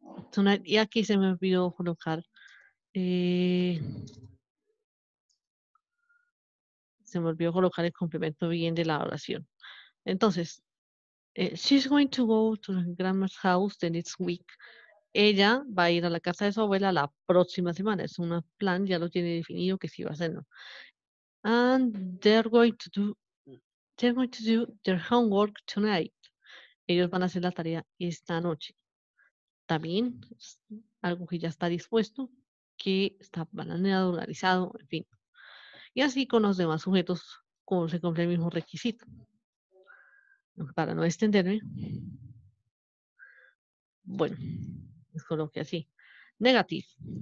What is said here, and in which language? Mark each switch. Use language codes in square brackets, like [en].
[en] Tonight. [es] Y aquí se me olvidó colocar. Se me olvidó colocar el complemento bien de la oración. [en] Entonces, she's going to go to her grandma's house the next week. [es] Ella va a ir a la casa de su abuela la próxima semana. Es un plan, ya lo tiene definido que sí va a hacer, ¿no? [en] And they're going to do their homework tonight. [es] Ellos van a hacer la tarea esta noche. También es algo que ya está dispuesto, que está planeado, organizado, en fin. Y así con los demás sujetos como se cumple el mismo requisito. Para no extenderme, bueno, les coloqué así. Negativo.